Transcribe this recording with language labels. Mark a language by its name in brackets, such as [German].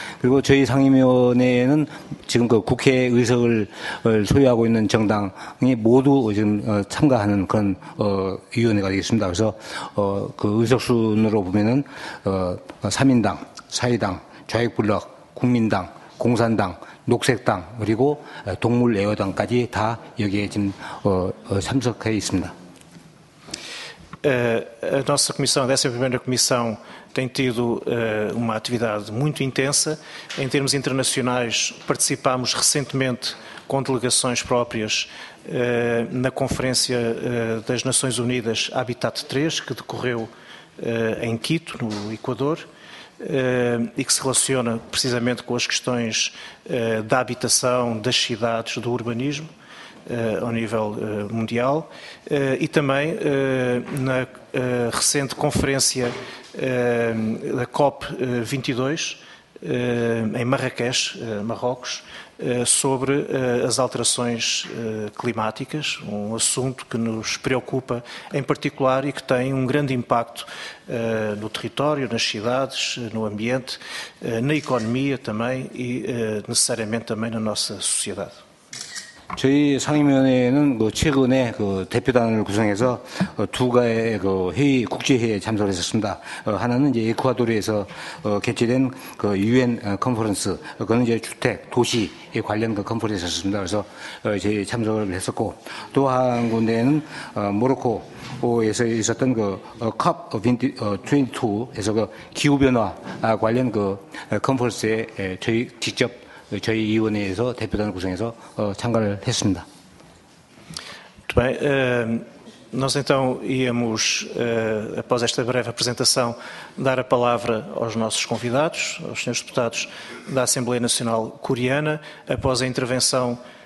[Korean] 그리고 저희 상임위원회는 지금 그 국회 의석을 소유하고 있는 정당이 모두 지금 참가하는 그런 위원회가 되겠습니다. 그래서 그 의석 순으로 보면은 3인당, 4인당, 좌익블록, 국민당, 공산당, 녹색당 그리고 동물애호당까지 다 여기에 지금 참석해 있습니다. [Portuguese] A nossa comissão, a 11ª comissão, tem tido uma atividade muito intensa. Em termos internacionais, participámos recentemente com delegações próprias na Conferência das Nações Unidas Habitat 3, que decorreu em Quito, no Equador, e que se relaciona precisamente com as questões da habitação, das cidades, do urbanismo. ao nível mundial, e também na recente conferência da COP22, em Marrakech, Marrocos, sobre as alterações climáticas, um assunto que nos preocupa em particular e que tem um grande impacto no território, nas cidades, no ambiente, na economia também e necessariamente também na nossa sociedade. [Korean] 저희 상임위원회는 최근에 대표단을 구성해서 두 가지 회의, 국제회의에 참석을 했었습니다. 하나는 이제 에콰도르에서 개최된 UN 컨퍼런스, 그건 이제 주택, 도시에 관련 그 컨퍼런스였습니다. 그래서 저희 참석을 했었고, 또 한 군데는 모로코에서 있었던 그 COP22에서 그 기후변화 관련 그 컨퍼런스에 저희 직접 저희 위원회에서 대표단을 구성해서 참가를 했습니다. [Portuguese] Muito bem, nós então íamos, após esta breve apresentação, dar a palavra aos nossos convidados, aos senhores deputados da Assembleia Nacional Coreana, após a intervenção